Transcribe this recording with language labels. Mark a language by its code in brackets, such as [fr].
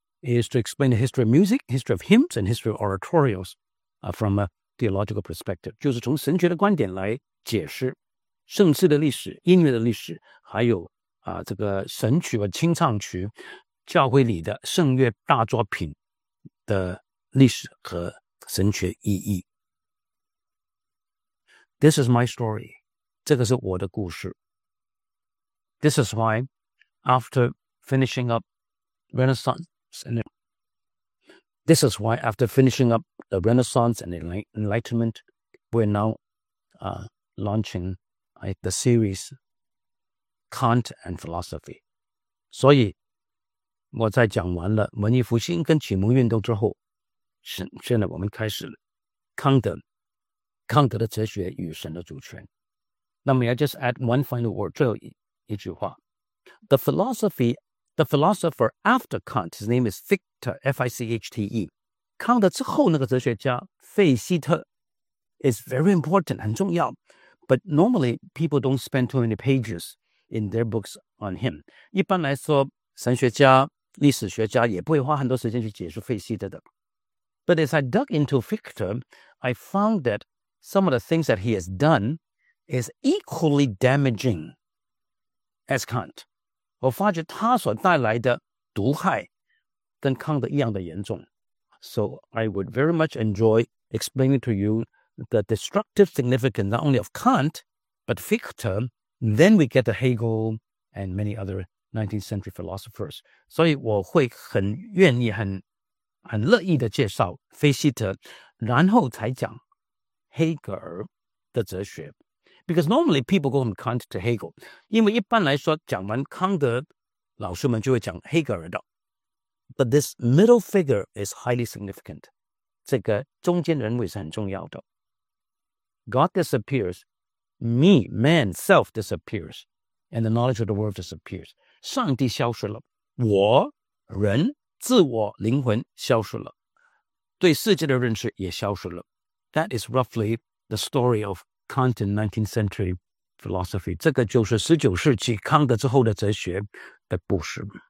[en] is to explain the history of music, history of hymns, and history of oratorios from a theological perspective. [zh] 就是从神学的观点来解释圣诗的历史、音乐的历史，还有这个神曲和清唱曲、教会里的圣乐大作品的历史和神学意义。 [en] This is my story. [zh] 这个是我的故事。 [en] This is why, after finishing up Renaissance Center. This is why after finishing up the Renaissance and Enlightenment, we're now launching the series Kant and Philosophy. [zh] 所以我在讲完了文艺复兴跟启蒙运动之后，现在我们开始了康德的哲学与神的主权。 [en] Now may I just add one final word, [zh] 最后 一句话。 [en] The philosopher after Kant, his name is Fichte, F-I-C-H-T-E. [zh] 康德之后那个哲学家费希特 [en] is very important, [zh] 很重要。 [en] But normally, people don't spend too many pages in their books on him. [zh] 一般来说，神学家、历史学家也不会花很多时间去解释费希特的。 [en] But as I dug into Fichte, I found that some of the things that he has done is equally damaging as Kant. [zh] 我发觉他所带来的毒害跟康德一样的严重。 [en] So I would very much enjoy explaining to you the destructive significance not only of Kant, but Fichte. Then we get to Hegel and many other 19th century philosophers. [zh] 所以我会很愿意很乐意的介绍费希特，然后才讲黑格尔的哲学。 [en] Because normally people go from Kant to Hegel. [zh] 因为一般来说讲完康德，老师们就会讲黑格尔的。 [en] But this middle figure is highly significant. [zh] 这个中间人物是很重要的。 [en] God disappears, me, man, self disappears, and the knowledge of the world disappears. [zh] 上帝消失了，我人自我灵魂消失了，对世界的认识也消失了。 [en] That is roughly the story of Kant in 19th century philosophy. [zh] 这个就是19世纪康德之后的哲学的故事。